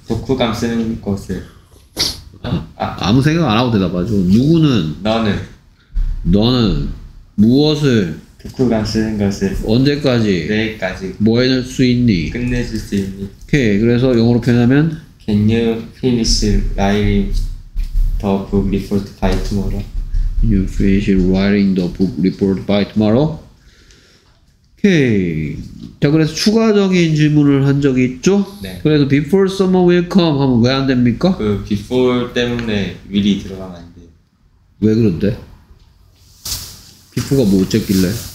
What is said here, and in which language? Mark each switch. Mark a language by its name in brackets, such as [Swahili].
[Korean] 독후감 쓰는 것을. 아무 생각 안 하고 대답하죠. 누구는? 너는. 너는 무엇을? 독후감 쓰는 것을 언제까지? 내일까지 뭐 해줄 수 있니? 끝내줄 수 있니? 오케이, 그래서 영어로 표현하면 [English] Can you finish writing the book report by tomorrow? Can you finish writing the book report by tomorrow? [Korean] 오케이, 자 그래서 추가적인 질문을 한 적이 있죠? 네. 그래서 [English] before summer will come [Korean] 하면 왜 안 됩니까? 그 before 때문에 미리 들어가면 안 돼요. 왜 그런데? 비포가 뭐 어쨌길래?